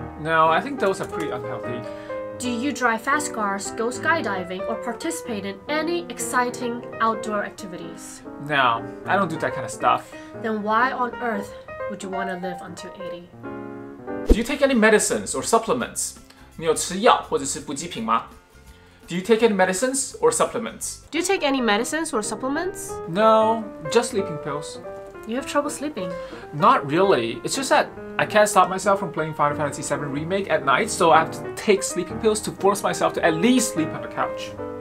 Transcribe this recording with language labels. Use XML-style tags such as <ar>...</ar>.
<en>No, I think those are pretty unhealthy. Do you drive fast cars, go skydiving, or participate in any exciting outdoor activities? No, I don't do that kind of stuff. Then why on earth would you want to live until 80? Do you take any medicines or supplements?</en> <zh>你有吃药或者是补给品吗?</zh> <en>Do you take any medicines or supplements? Do you take any medicines or supplements? No, just sleeping pills. You have trouble sleeping. Not really. It's just that I can't stop myself from playing Final Fantasy VII Remake at night, so I have to take sleeping pills to force myself to at least sleep on the couch.</en>